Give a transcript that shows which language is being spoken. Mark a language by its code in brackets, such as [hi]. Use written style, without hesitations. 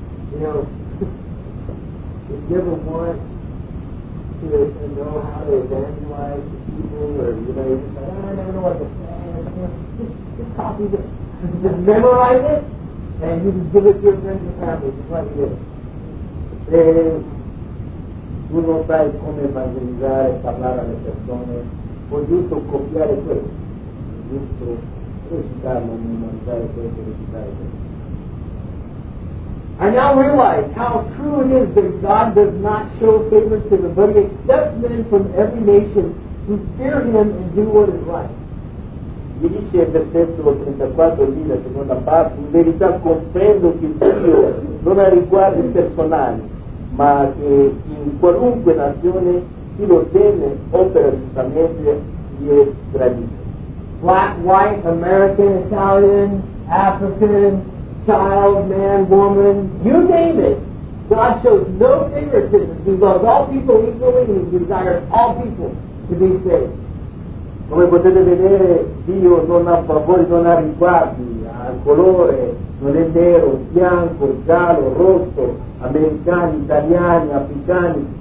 [en] If you ever want to know how to evangelize people, or you know, just like, I don't know what to say, just copy this, just memorize it, and you can give it to your friends and family, just like this. [it] E tu non sai come evangelizzare, parlare alle persone, o giusto copiare quello. Giusto recitarlo, memorizzare questo, recitare questo. [en] I now realize how true it is that God does not show favor to the body except men from every nation who fear him and do what is right. [it] Mi dice il versetto 34 lì, la seconda parte, in verità comprendo che Dio non ha riguardi personali, ma che in qualunque nazione chi lo teme opera giustamente gli è gradito. [en] Black, white, American, Italian, African, child, man, woman, you name it. God shows no favoritism. He loves all people equally and he desires all people to be saved. [it] Come potete vedere, Dio non ha favori, non ha riguardi, al colore, non è nero, bianco, giallo, rosso, americani, italiani, africani.